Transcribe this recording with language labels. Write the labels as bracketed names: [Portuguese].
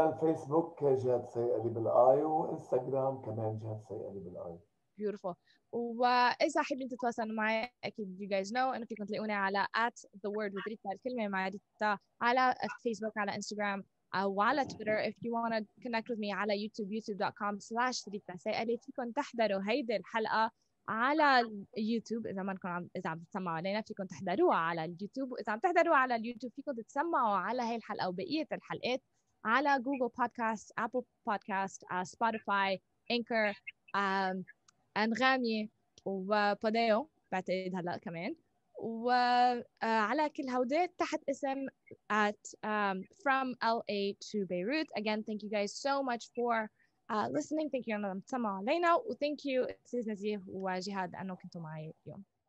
[Arabic] عندنا الفيسبوك جهاد سيئلي بالاي، وانستغرام كمان جهاد سيئلي بالاي. [English] Beautiful. [Arabic] وإذا حابين تتواصلوا معي أكيد [English] you guys know [Arabic] إنه فيكم تلاقوني على at the word with Rita الكلمة مع Rita على فيسبوك، على انستغرام وعلى تويتر. [English] If you want to connect with me [Arabic] على youtube.com/RitaSayali فيكم تحضروا هيدي الحلقة على اليوتيوب. إذا ما نكون إذا عم تسمعوا علينا فيكم تحضروها على اليوتيوب، وإذا عم تحضروها على اليوتيوب فيكم تتسمعوا على هاي الحلقة وبقية الحلقات على جوجل بودكاست، أبل بودكاست، سبوتيفاي، إنكر، أنغامي وبوديو بعتقد هلأ كمان، وعلى كل هودي تحت اسم at from LA to Beirut. [English] Again, thank you guys so much for listening. Thank you, Anna, Tama, Lena. Thank you, Nazih and Jihad, for being here today.